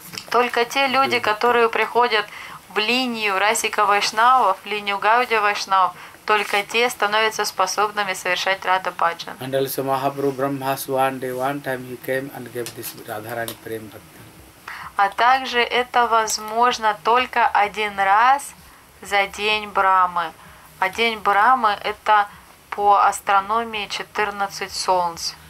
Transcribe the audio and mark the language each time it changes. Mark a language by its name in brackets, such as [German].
[Russian] Только те люди, которые приходят в линию Расика-вайшнавов, в линию Гауди-вайшнавов, только те становятся способными совершать Радха-бхаджан. [English] And also Mahaprabhu Brahma Swande, one time he came and gave this Radharani Prem Bhakti. [Russian] А также это возможно только один раз за день Брахмы. А день Брахмы – это по астрономии 14 солнц.